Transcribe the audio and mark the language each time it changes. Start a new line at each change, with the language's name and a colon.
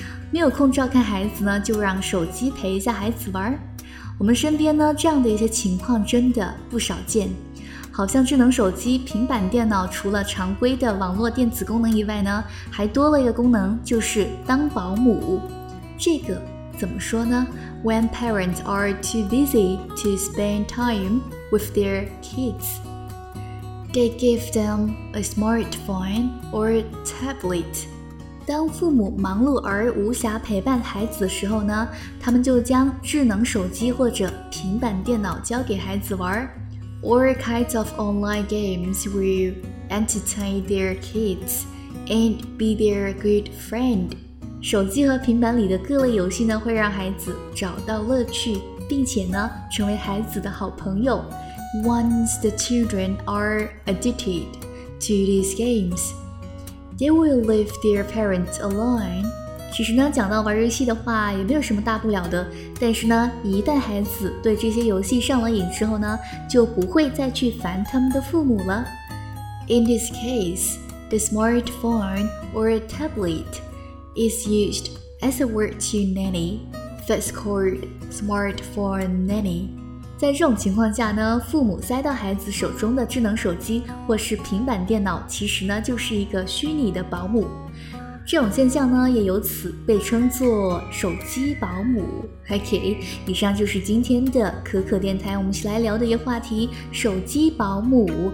Chinese: 没有空照看孩子呢，就让手机陪一下孩子玩。我们身边呢，这样的一些情况真的不少见。好像智能手机、平板电脑除了常规的网络电子功能以外呢，还多了一个功能，就是当保姆。这个怎么说呢？
English: When parents are too busy to spend time with their kids, they give them a smartphone or tablet.
Chinese: 当父母忙碌而无暇陪伴孩子的时候呢，他们就将智能手机或者平板电脑交给孩子玩。
English: All kinds of online games will entertain their kids and be their good friend.
Chinese: 手机和平板里的各类游戏呢，会让孩子找到乐趣，并且呢，成为孩子的好朋友。
English: Once the children are addicted to these games,They will leave their parents alone.
Chinese: 其实呢，讲到玩游戏的话，也没有什么大不了的。但是呢，一旦孩子对这些游戏上了瘾之后呢，就不会再去烦他们的父母了。
English: In this case, the smartphone or a tablet is used as a word to nanny, that's called smartphone nanny.
Chinese: 在这种情况下呢，父母塞到孩子手中的智能手机或是平板电脑，其实呢就是一个虚拟的保姆。这种现象呢，也由此被称作手机保姆。 OK， 以上就是今天的可可电台，我们一起来聊的一个话题：手机保姆